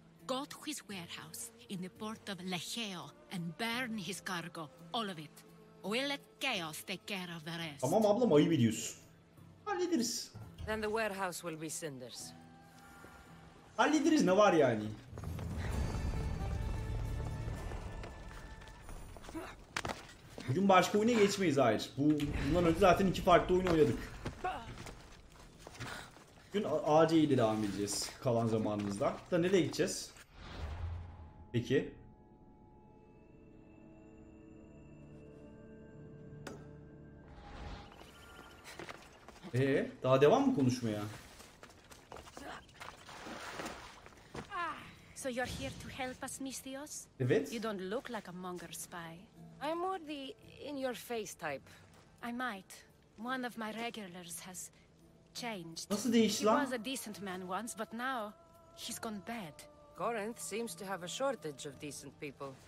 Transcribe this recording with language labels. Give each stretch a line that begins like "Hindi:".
English: Go to his warehouse in the port of Lecheo and burn his cargo, all of it. We'll let chaos take care of the rest.
Turkish: Tamam ablam, ayıp ediyorsun. Hallederiz.
English: Then the warehouse will be cinders.
Turkish: Hallederiz, ne var yani? Bugün başka oyuna geçmeyiz hayır. Bundan önce zaten iki farklı oyun oynadık. Bugün AC ile devam edeceğiz kalan zamanımızda. Da nereye gideceğiz? Peki. Daha devam mı konuşmaya?
English: So you're here to help us, Mistyos?
Turkish: Evet.
English: You don't look like a monger spy. I'm more the in your face type. I might. One of my regulars has changed.
Turkish: Nasıl değişti lan?
English: He was a decent man once, but now he's gone bad. Corinth seems to have a shortage of decent people.